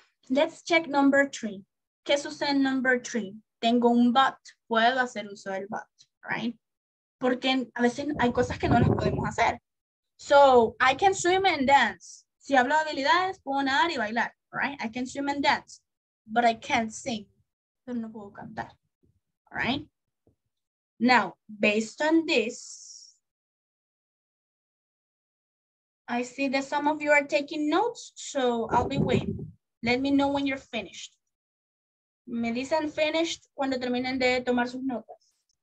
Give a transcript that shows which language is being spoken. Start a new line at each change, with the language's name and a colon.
English: Let's check number three.
Spanish: ¿Qué sucede en
English: number three?
Spanish: Tengo un but, puedo hacer uso del but, right? Porque a veces hay cosas que no las podemos hacer.
English: So, I can swim and dance.
Spanish: Si hablo de habilidades, puedo nadar y bailar, right?
English: I can swim and dance, but I can't sing.
Spanish: Pero no puedo cantar,
English: right? Now, based on this, I see that some of you are taking notes, so I'll be waiting. Let me know when you're finished.
Spanish: Me dicen finished cuando terminen de tomar sus notas.